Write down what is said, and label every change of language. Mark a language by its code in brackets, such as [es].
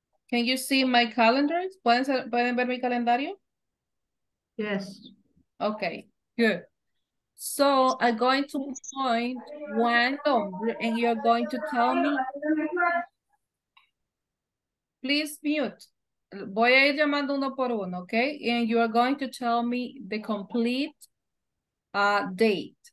[en] Can you see my calendars? [es] ¿Pueden ver mi calendario? [en] Yes. Okay, good. So I'm going to point one number and you're going to tell me. Please mute. [es] Voy a ir llamando uno por uno, okay? [en] And you are going to tell me the complete date.